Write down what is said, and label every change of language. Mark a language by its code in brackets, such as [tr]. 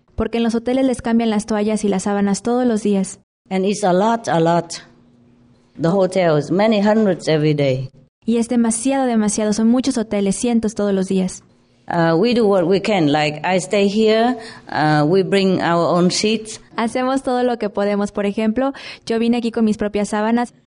[es] Porque en los hoteles les cambian las toallas y las sábanas todos los días. [en] And it's a lot, the hotels, many hundreds every day. [es] Y es demasiado, demasiado. Son muchos hoteles, cientos todos los días. [en] We do what we can. Like, I stay here, we bring our own sheets. [es] Hacemos todo lo que podemos. Por ejemplo, yo vine aquí con mis propias sábanas.